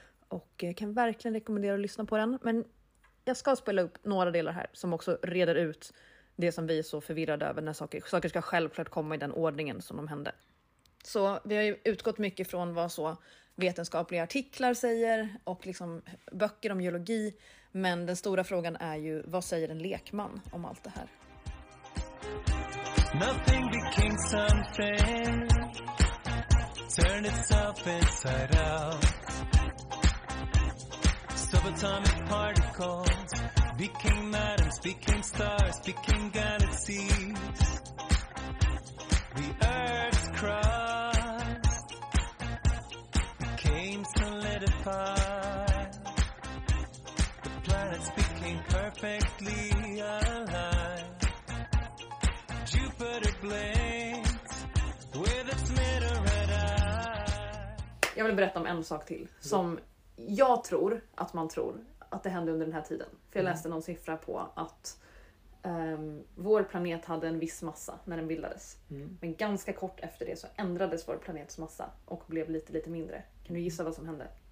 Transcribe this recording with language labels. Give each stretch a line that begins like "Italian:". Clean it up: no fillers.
Swedish: Och jag kan verkligen rekommendera att lyssna på den, men jag ska spela upp några delar här som också reder ut det som vi är så förvirrade över när saker ska självklart komma i den ordningen som de hände. Så vi har ju utgått mycket från vad så vetenskapliga artiklar säger och liksom böcker om geologi. Men den stora frågan är ju, vad säger en lekman om allt det här?
English: Nothing became something, turn itself inside out. Subatomic particles became atoms, became stars, became galaxies. The Earth's crust became solidified. The planets became perfectly aligned. Jupiter blinked with its middle red eye.
Swedish: Jag vill berätta om en sak till som jag tror att man tror att det hände under den här tiden. För jag läste någon siffra på att vår planet hade en viss massa när den bildades. Mm. Men ganska kort efter det så ändrades vår planets massa och blev lite, lite mindre. Kan du gissa vad som hände?